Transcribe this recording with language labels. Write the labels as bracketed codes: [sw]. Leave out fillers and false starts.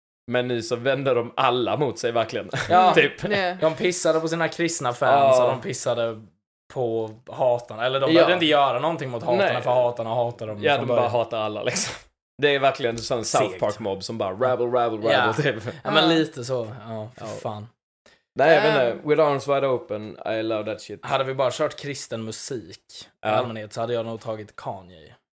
[sv] Men nu så vänder de alla mot sig verkligen. Ja, typ. De pissade på sina kristna fans och de pissade på hatarna. Eller de behövde inte göra någonting mot hatarna för hatarna hatar dem. Ja, de bara hatar alla liksom. Det är verkligen en sån South Park mob som bara rabble typ. Ja, men lite så. Ja, fan. Nej, men [en] with arms wide open, I love that shit. [sv] Hade vi bara kört kristen musik i allmänhet så hade jag nog tagit Kanye.